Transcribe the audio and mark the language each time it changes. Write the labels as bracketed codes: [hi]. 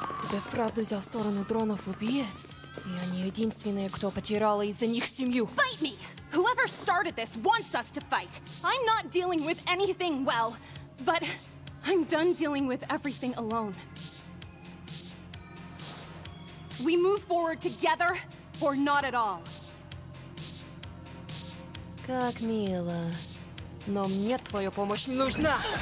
[ru] Тебе вправду взял сторону дронов убийц? Я не единственная, кто потеряла из-за них семью. [en] Fight me! Whoever started this wants us to fight. I'm not dealing with anything well, but I'm done dealing with everything alone. We move forward together, or not at all. [ru] Как мило. Но мне твоя помощь не нужна.